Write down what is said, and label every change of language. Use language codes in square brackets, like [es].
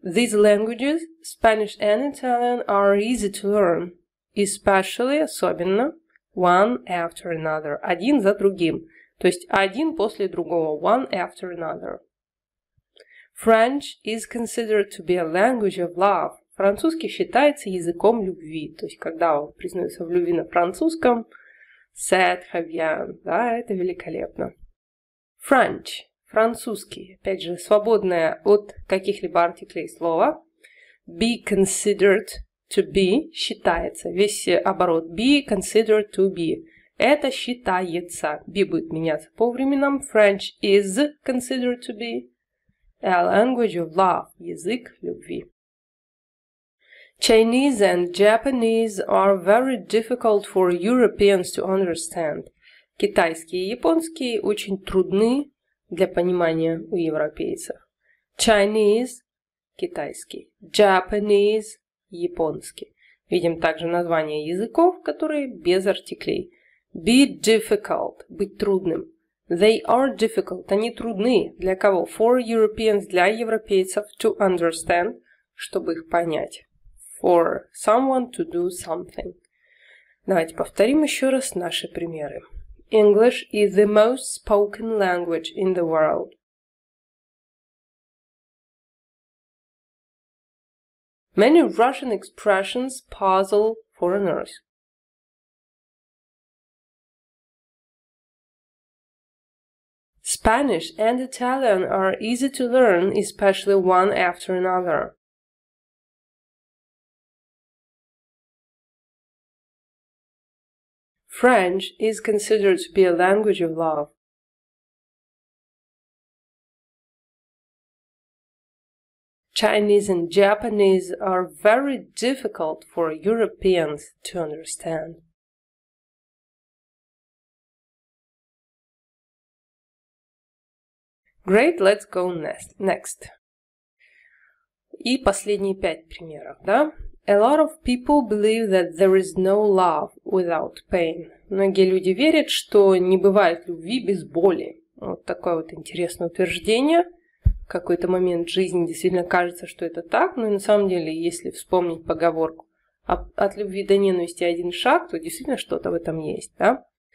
[en] These languages, Spanish and Italian, are easy to learn. Especially, особенно, one after another. [ru] Один за другим. То есть, один после другого. [en] One after another. French is considered to be a language of love. [ru] Французский считается языком любви. То есть, когда он признается в любви на французском, [fr] c'est très bien. [ru] Да, это великолепно. French. Французский. Опять же, свободное от каких-либо артиклей слова. [en] Be considered to be считается. [ru] Весь оборот. [en] Be considered to be. [ru] Это считается. Be будет меняться по временам. [en] French is considered to be. A language of love. [ru] Язык любви. [en] Chinese and Japanese are very difficult for Europeans to understand. [ru] Китайский и японский очень трудны для понимания у европейцев. Chinese – китайский. Japanese – японский. Видим также названия языков, которые без артиклей. Be difficult – быть трудным. [en] They are difficult. [ru] Они трудны. Для кого? [en] For Europeans, [ru] для европейцев, [en] to understand, [ru] чтобы их понять. [en] For someone to do something. [ru] Давайте повторим еще раз наши примеры. [en] English is the most spoken language in the world. Many Russian expressions puzzle foreigners. Spanish and Italian are easy to learn, especially one after another. French is considered to be a language of love. Chinese and Japanese are very difficult for Europeans to understand. Great, let's go next. [ru] И последние 5 примеров, да? [en] A lot of people believe that there is no love without pain. [ru] Многие люди верят, что не бывает любви без боли. Вот такое вот интересное утверждение. В какой-то момент жизни действительно кажется, что это так. Но на самом деле, если вспомнить поговорку «от любви до ненависти один шаг», то действительно что-то в этом есть, да?